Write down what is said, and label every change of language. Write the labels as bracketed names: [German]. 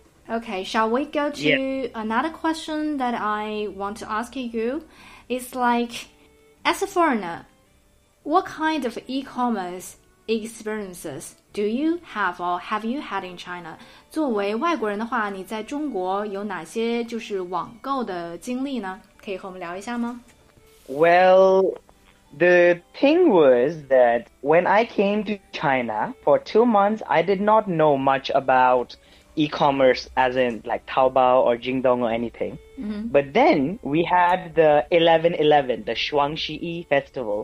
[English] Okay, shall we go to another question that I want to ask you? It's like, as a foreigner, what kind of e-commerce experiences do you have or have you had in China? [Chinese] 作为外国人的话，你在中国有哪些就是网购的经历呢？可以和我们聊一下吗？ [English] Well, the thing was that when I came to China for 2 months, I did not know much about e-commerce as in like Taobao or Jingdong or anything. Mm-hmm. But then we had the 11/11, the Shuangshi festival.